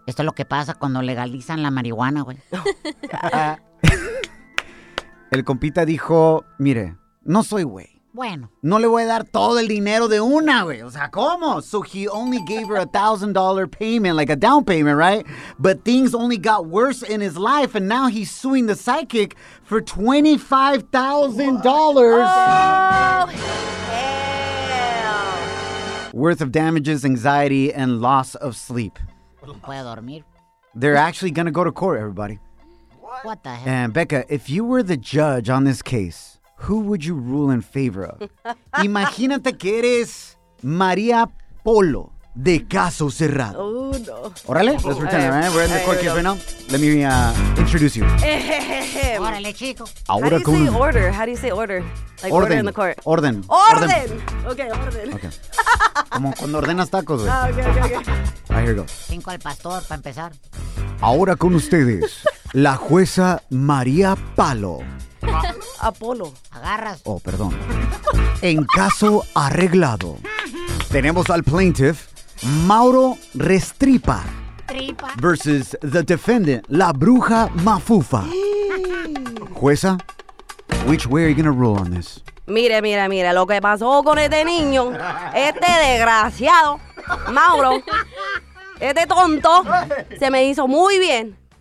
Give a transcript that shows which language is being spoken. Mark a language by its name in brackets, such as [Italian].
[Spanish] Esto es lo que pasa cuando legalizan la marihuana, güey. El compita dijo, mire, no soy güey. Bueno. No le voy a dar todo el dinero de una, güey. O sea, ¿cómo? [English] So he only gave her $1,000 payment, like a down payment, right? But things only got worse in his life, and now he's suing the psychic for $25,000. Oh, hell. Worth of damages, anxiety, and loss of sleep. [Spanish] ¿Puedo dormir? [English] They're actually going to go to court, everybody. What the hell? And Becca, if you were the judge on this case, who would you rule in favor of? [Spanish] Imagínate que eres María Polo de Caso Cerrado. [English] Oh, no. Órale, let's pretend, right? We're in the court case right now. Let me introduce you. [Spanish] Órale, chico. Ahora con... [English] How do you say order? Like [Spanish] orden. [English] Order in the court. [Spanish] Orden. Orden. Okay, orden. Okay. Como cuando ordenas tacos, güey. [English] Okay. Right, here we go. [Spanish] Cinco al pastor para empezar. Ahora con ustedes, la jueza María Palo. Apolo, agarras. Oh, perdón. En caso arreglado, tenemos al plaintiff Mauro Restripa. Tripa. [English] Versus the defendant, [Spanish] la bruja Mafufa. [English] Jueza, which way are you going to rule on this? [Spanish] Mire, lo que pasó con este niño, este desgraciado, Mauro, este tonto, se me hizo muy bien.